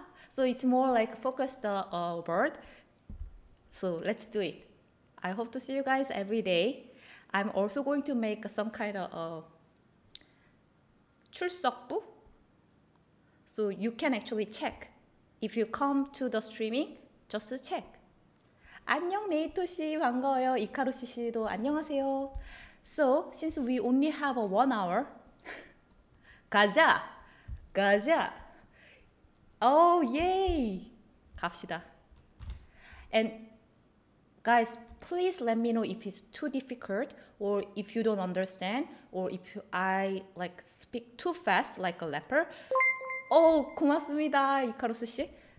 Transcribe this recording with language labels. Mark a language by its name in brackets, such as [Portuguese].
[English] So it's more like focus the word. So let's do it. I hope to see you guys every day. I'm also going to make some kind of 출석부. So you can actually check. If you come to the streaming, just check. [Korean] 안녕 네이토 씨, 반가워요. 이카루 씨도 안녕하세요. [English] So since we only have 1 hour, [Korean] 가자, 가자. Oh yay, 갑시다. [English] And guys, please let me know if it's too difficult or if you don't understand or if I like speak too fast like a rapper. [Korean] 오, 고맙습니다, 이카로스 씨.